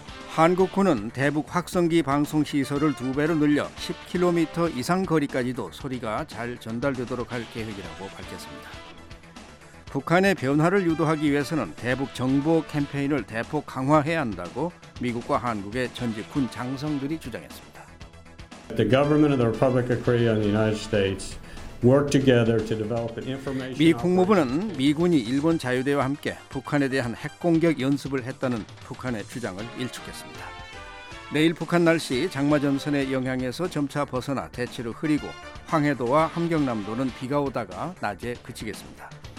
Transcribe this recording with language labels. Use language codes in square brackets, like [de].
[ko] 한국군은 대북 확성기 방송 시설을 두 배로 늘려 10km 이상 거리까지도 소리가 잘 전달되도록 할 계획이라고 밝혔습니다. 북한의 변화를 유도하기 위해서는 대북 정보 캠페인을 대폭 강화해야 한다고 미국과 한국의 전직 군 장성들이 주장했습니다. [en] The government of the Republic of Korea and the United States work together to develop an information. [ko] 미 국무부는 미군이 일본 자유대와 함께 북한에 대한 핵 공격 연습을 했다는 북한의 주장을 일축했습니다. 내일 북한 날씨 장마전선의 영향에서 점차 벗어나 대체로 흐리고 황해도와 함경남도는 비가 오다가 낮에 그치겠습니다.